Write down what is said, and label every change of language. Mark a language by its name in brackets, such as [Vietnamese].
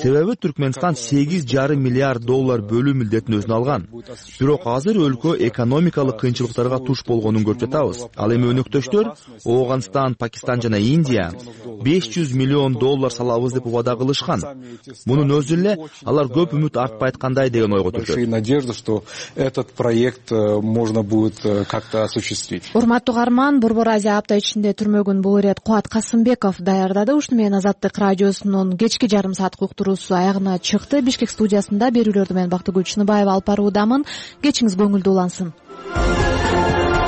[Kyrgyz] Себеби Түркмөнстан 8,5 миллиард доллар бөлүү милдетин өзүнө алган. Бирок азыр өлкө экономикалык кыйынчылыктарга туш болгонун күнүн көрүп жатабыз. Ал эми өнөктөштөр Ооганстан, Пакистан жана Индия $500 миллион салабыз деп убада кылышкан. Мунун өзү эле алар көп үмүт артпайт кандай деген ой көтөрүшөт. [Russian] Большие надежды, что этот проект можно будет как-то осуществить. [Kyrgyz] Урматтуу каарман, Борбор Азия апта ичинде түрмөгүн бул ирет Кубат Касымбеков даярдады. Ушуну менен Азаттык радиосунун кечки жарым саат уктуруусу аягына чыкты. Бишкек студиясында берүүлөрдү мен Бактыгүл Чыныбаева алып баруудамын. Кечиңиз көңүлдүү улансын.